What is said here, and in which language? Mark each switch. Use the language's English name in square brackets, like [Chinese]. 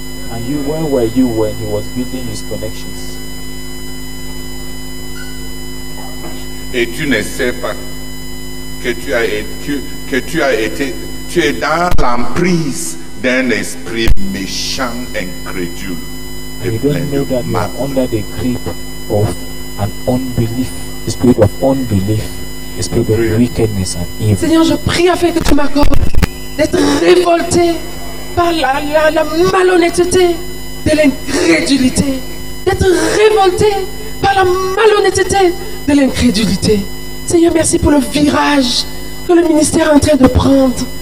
[English] And you, where were you when he was building his connections? [French] Et tu ne sais pas que tu as été, tu es dans l'emprise d'un esprit méchant, incrédule. [English] And you don't know that you are under the grip of an unbelief, the spirit of unbelief, the spirit of wickedness and evil. [French] Seigneur, je prie afin que tu m'accordes d'être révolté par la malhonnêteté de l'incrédulité. D'être révolté par la malhonnêteté de l'incrédulité. Seigneur, merci pour le virage que le ministère est en train de prendre.